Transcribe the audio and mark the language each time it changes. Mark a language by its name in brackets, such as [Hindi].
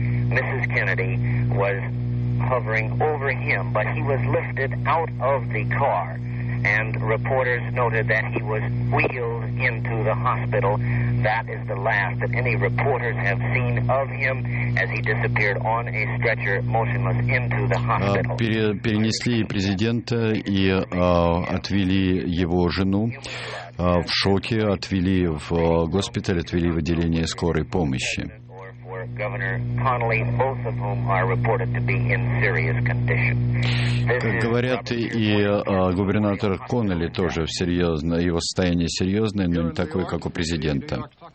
[English] Миссис Кеннеди was hovering over him, but he was lifted out of the car, and reporters noted that he was wheeled into the hospital. That is the last that any reporters have seen of him as he disappeared on a stretcher motionless into the hospital. [Russian] Перенесли президента и отвели его жену в шоке, отвели в госпиталь, отвели в отделение скорой помощи. [English] Governor Connally, both of whom are reported to be in serious condition. [Russian] Как говорят, и губернатор Коннелли тоже в серьезно, его состояние серьезное, но не такое, как у президента.